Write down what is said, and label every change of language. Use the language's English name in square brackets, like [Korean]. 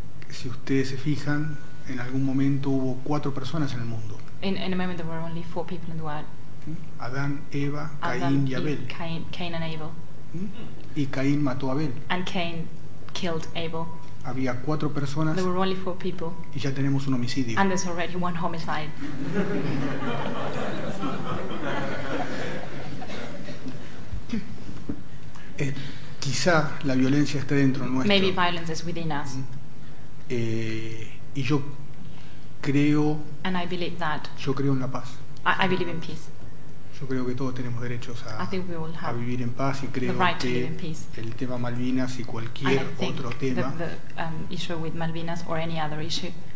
[Spanish] Si ustedes se fijan, en algún momento hubo cuatro personas en el mundo. [English] In a moment there were only four people in the world. [Spanish] Adán, Eva, Caín y Abel. [English] Cain and Abel. [Spanish] Y Caín mató a Abel. [English] And Cain killed Abel. [Spanish] Había cuatro personas. [English] There were only four people. [Spanish] Y ya tenemos un homicidio. [English] And there's already one homicide. [Spanish] Quizá la violencia esté dentro nuestro. [English] Maybe violence is within us. [Spanish] Y yo creo. [English] And I believe that. [Spanish] Yo creo en la paz. [English] I believe in peace. [Spanish] Yo creo que todos tenemos derechos a vivir en paz, y creo [English] right [Spanish] que el tema Malvinas y cualquier otro tema. [English] And I think the issue with Malvinas or any other issue.